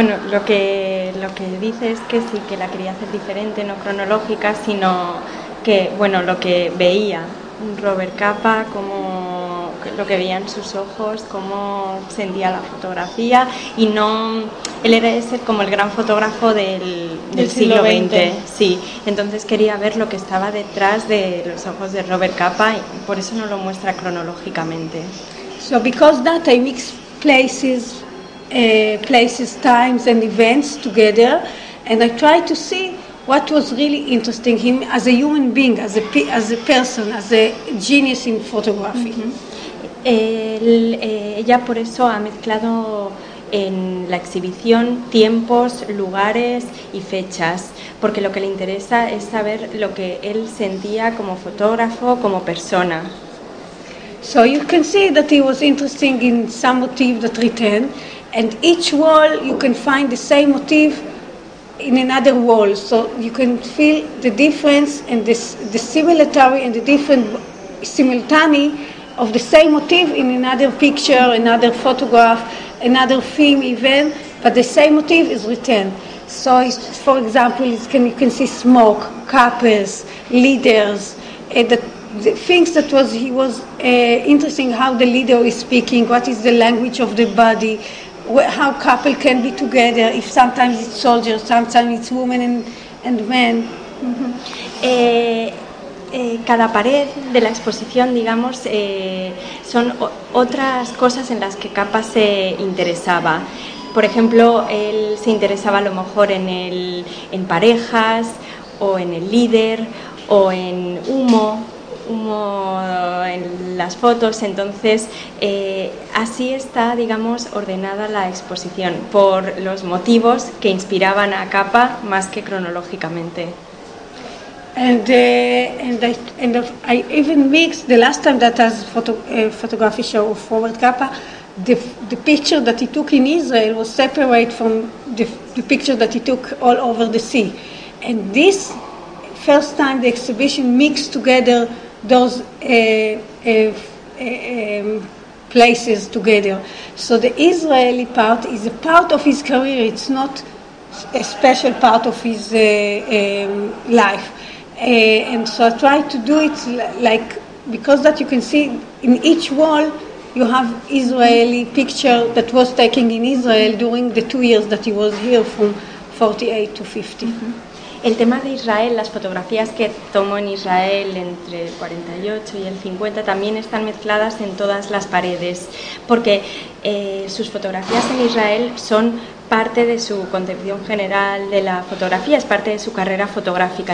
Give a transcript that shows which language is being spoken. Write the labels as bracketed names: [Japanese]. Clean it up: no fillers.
[Spanish] Lo que dice es que sí, que la quería hacer diferente, no cronológica, sino que, bueno, lo que veía Robert Capa, como lo que veía en sus ojos, cómo sentía la fotografía, y no, él era ese como el gran fotógrafo del siglo XX. Sí, entonces quería ver lo que estaba detrás de los ojos de Robert Capa, y por eso no lo muestra cronológicamente. [English] So because that I mix places. Places, times, and events together, and I try to see what was really interesting him as a human being, as a person, as a genius in photography. Ella por eso ha mezclado en la exhibición tiempos, lugares y fechas, porque lo que le interesa es saber lo que él sentía como fotógrafo, como persona. So you can see that he was interesting in some motif that return. And each wall, you can find the same motif in another wall, so you can feel the difference and the similarity and the different simultaneity of the same motif in another picture, another photograph, another theme even, but the same motif is returned. So, for example, you can see smoke, couples, leaders, the things that was interesting, how the leader is speaking, what is the language of the body. How couple can be together, if sometimes it's soldiers, sometimes it's women and men. Mm-hmm. [Spanish] Cada pared de la exposición, digamos, son otras cosas en las que Capa se interesaba. Por ejemplo, él se interesaba a lo mejor en parejas, o en el líder, o en humo en las fotos. Entonces así está, digamos, ordenada la exposición por los motivos que inspiraban a Capa más que cronológicamente. [English] And I even mixed the last time that has photography show of Robert Capa, the picture that he took in Israel was separate from the picture that he took all over the sea, and this first time the exhibition mixed together those places together. So the Israeli part is a part of his career, it's not a special part of his life. And so I try to do it like, because that you can see in each wall you have Israeli picture that was taken in Israel during the 2 years that he was here from 48 to 50. Mm-hmm. [Spanish] El tema de Israel, las fotografías que tomó en Israel entre el 48 y el 50 también están mezcladas en todas las paredes, porque sus fotografías en Israel son parte de su concepción general de la fotografía, es parte de su carrera fotográfica.